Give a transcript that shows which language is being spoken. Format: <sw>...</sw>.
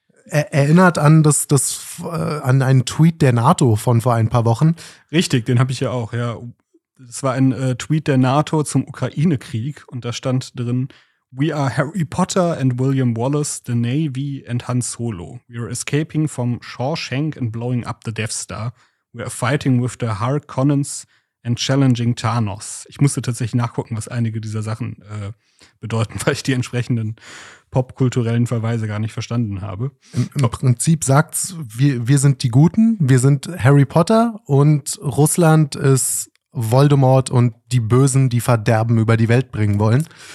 <de>Erinnert an an einen Tweet der NATO von vor ein paar Wochen. Richtig, den habe ich ja auch, ja. Das war ein Tweet der NATO zum Ukraine-Krieg und da stand drin:</de> <en>"We are Harry Potter and William Wallace, the Navy and Han Solo. We are escaping from Shawshank and blowing up the Death Star. We are fighting with the Harkonnens and challenging Thanos."</en> <de>Ich musste tatsächlich nachgucken, was einige dieser Sachen bedeuten, weil ich die entsprechenden popkulturellen Verweise gar nicht verstanden habe. Im Prinzip sagt's, wir sind die Guten, wir sind Harry Potter und Russland ist Voldemort und die Bösen, die Verderben über die Welt bringen wollen.</de>